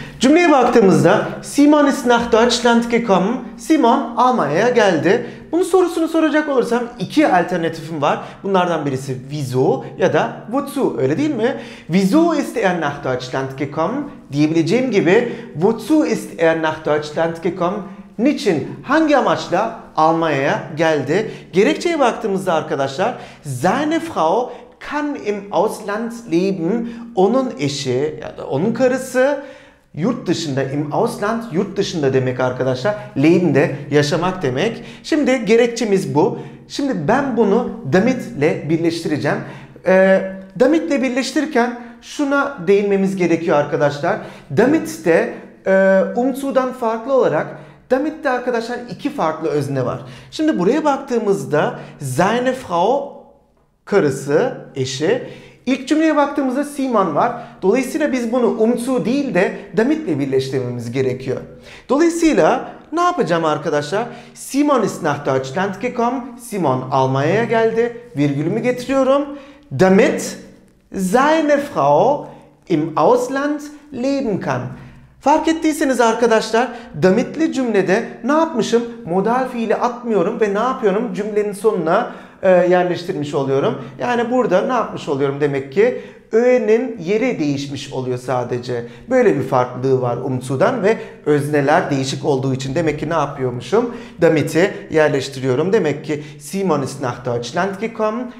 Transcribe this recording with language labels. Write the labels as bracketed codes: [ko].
[tr] Cümleye baktığımızda [de] Simon ist nach Deutschland gekommen. [tr] Simon Almanya'ya geldi. Bunun sorusunu soracak olursam iki alternatifim var. Bunlardan birisi wieso ya da wozu, öyle değil mi? [de] Wieso ist nach Deutschland gekommen [tr] diyebileceğim gibi [de] wozu ist nach Deutschland gekommen? [tr] Niçin, hangi amaçla Almanya'ya geldi? Gerekçeye baktığımızda arkadaşlar [de] seine Frau kann im Ausland leben. [tr] Onun eşi ya da onun karısı yurt dışında, [de] im Ausland [tr] yurt dışında demek arkadaşlar. Leben de yaşamak demek. Şimdi gerekçemiz bu. Şimdi ben bunu damit ile birleştireceğim. Damit ile birleştirirken şuna değinmemiz gerekiyor arkadaşlar. Damit de umzu'dan farklı olarak damit de arkadaşlar iki farklı özne var. Şimdi buraya baktığımızda [de] seine Frau [tr] karısı, eşi. İlk cümleye baktığımızda Simon var. Dolayısıyla biz bunu umzu değil de damit ile birleştirmemiz gerekiyor. Dolayısıyla ne yapacağım arkadaşlar? [de] Simon ist nach Deutschland gekommen. [tr] Simon Almanya'ya geldi. Virgülümü getiriyorum. [de] Damit seine Frau im Ausland leben kann. [tr] Fark ettiyseniz arkadaşlar damitli cümlede ne yapmışım? Modal fiili atmıyorum ve ne yapıyorum? Cümlenin sonuna yerleştirmiş oluyorum. Yani burada ne yapmış oluyorum demek ki? Ö'nin yeri değişmiş oluyor sadece. Böyle bir farklılığı var umzu'dan ve özneler değişik olduğu için. Demek ki ne yapıyormuşum? Damit'i yerleştiriyorum. Demek ki [de] Simon ist nach Deutschland gekommen.